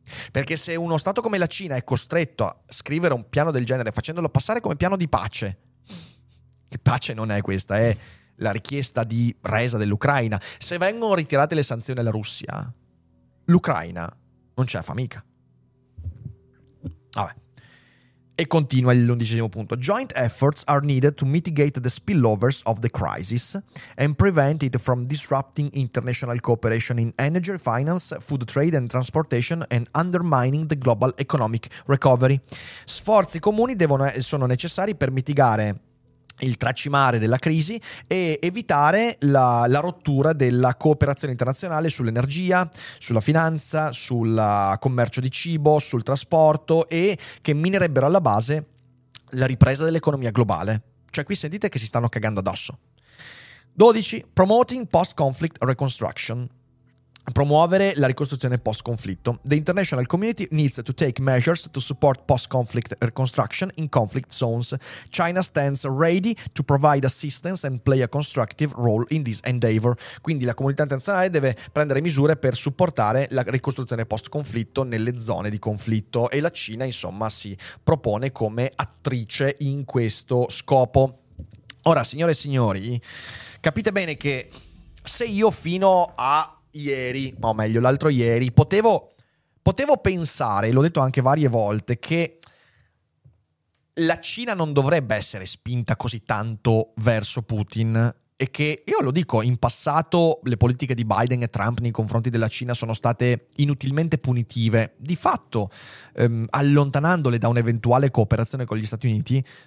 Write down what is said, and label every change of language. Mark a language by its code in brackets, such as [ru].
[it] Perché se uno Stato come la Cina è costretto a scrivere un piano del genere facendolo passare come piano di pace, che pace non è questa, è la richiesta di resa dell'Ucraina. Se vengono ritirate le sanzioni alla Russia, l'Ucraina non ce la fa mica. Vabbè. E continua l'undicesimo punto. [en] Joint efforts are needed to mitigate the spillovers of the crisis and prevent it from disrupting international cooperation in energy, finance, food trade and transportation and undermining the global economic recovery. [it] Sforzi comuni sono necessari per mitigare il tracimare della crisi e evitare la rottura della cooperazione internazionale sull'energia, sulla finanza, sul commercio di cibo, sul trasporto, e che minerebbero alla base la ripresa dell'economia globale. Cioè qui sentite che si stanno cagando addosso. 12. [en] Promoting post-conflict reconstruction. [it] Promuovere la ricostruzione post-conflitto. [en] The international community needs to take measures to support post-conflict reconstruction in conflict zones. China stands ready to provide assistance and play a constructive role in this endeavor. [it] Quindi la comunità internazionale deve prendere misure per supportare la ricostruzione post-conflitto nelle zone di conflitto, e la Cina, insomma, si propone come attrice in questo scopo. Ora, signore e signori, capite bene che se io fino a ieri, o meglio l'altro ieri, potevo pensare, l'ho detto anche varie volte, che la Cina non dovrebbe essere spinta così tanto verso Putin, e che, io lo dico, in passato le politiche di Biden e Trump nei confronti della Cina sono state inutilmente punitive, di fatto allontanandole da un'eventuale cooperazione con gli Stati Uniti.